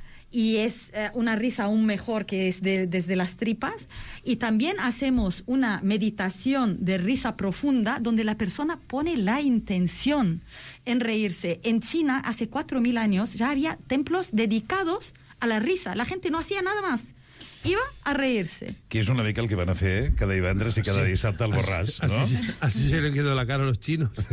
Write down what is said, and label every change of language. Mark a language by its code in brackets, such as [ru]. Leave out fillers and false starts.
[es] y es una risa aún mejor, que es desde las tripas. Y también hacemos una meditación de risa profunda donde la persona pone la intención en reírse. En China, hace 4.000 años, ya había templos dedicados a la risa. La gente no hacía nada más. Iba a reírse. [ca] Que és una mica el que van a fer cada divendres i cada dissabte al Borràs, no? [es] Así se le quedó la cara a los chinos.